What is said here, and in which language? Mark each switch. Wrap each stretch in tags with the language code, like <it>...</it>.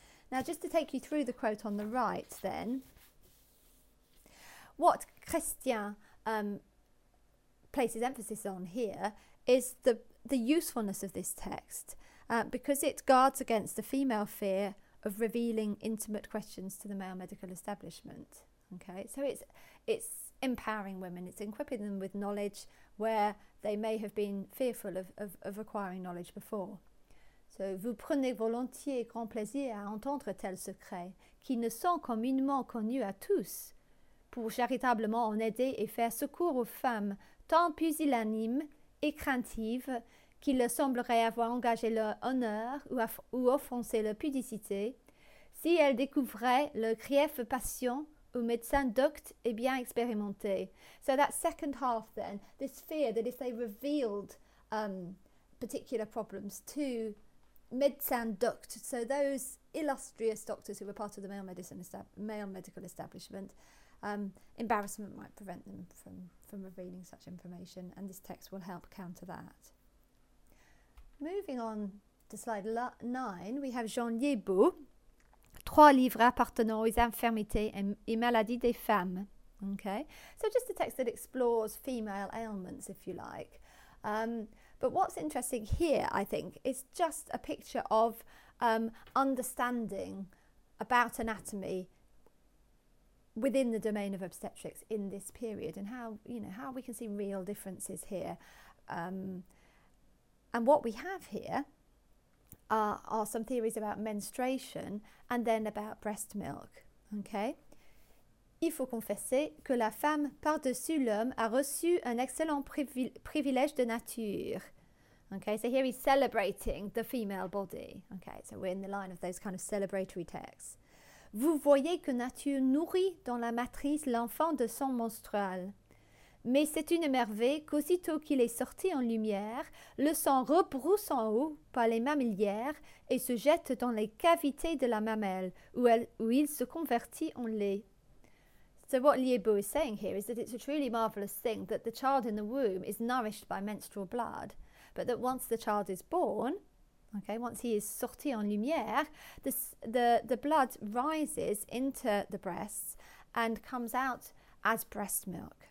<en>Now, just to take you through the quote on the right, then, what Chrestien places emphasis on here is the usefulness of this text, because it guards against the female fear of revealing intimate questions to the male medical establishment. Okay, so it's empowering women, it's equipping them with knowledge where they may have been fearful of acquiring knowledge before.</en> <fr>So, vous prenez volontiers grand plaisir à entendre tels secrets qui ne sont communément connus à tous pour charitablement en aider et faire secours aux femmes tant pusillanimes et craintives qu'il leur semblerait avoir engagé leur honneur ou offensé leur pudicité, si elles découvraient leur grief passion aux médecins doctes et bien expérimentés.</fr> <en>So that second half then, this fear that if they revealed particular problems to</en> <fr>médecins doctes,</fr> <en>so those illustrious doctors who were part of the male medical establishment, embarrassment might prevent them from revealing such information, and this text will help counter that. Moving on to slide 9, we have Jean Liebeau, Trois livres appartenant aux infirmités et maladies des femmes. Okay, so just a text that explores female ailments, if you like. But what's interesting here, I think, is just a picture of understanding about anatomy within the domain of obstetrics in this period, and how we can see real differences here. And what we have here are some theories about menstruation and then about breast milk. Okay.</en> <fr>Il faut confesser que la femme par-dessus l'homme a reçu un excellent privilège de nature.</fr> <en>Okay, so here he's celebrating the female body. Okay, so we're in the line of those kind of celebratory texts.</en> <fr>Vous voyez que nature nourrit dans la matrice l'enfant de son menstrual. Mais c'est une merveille qu'aussitôt qu'il est sorti en lumière, le sang rebrousse en haut par les mammilières et se jette dans les cavités de la mamelle où il se convertit en lait.</fr> <en>So what Liebeau is saying here is that it's a truly marvelous thing that the child in the womb is nourished by menstrual blood, but that once the child is born, Okay, once he is</en> <fr>sorti en lumière,</fr> <en>the blood rises into the breasts and comes out as breast milk.</en>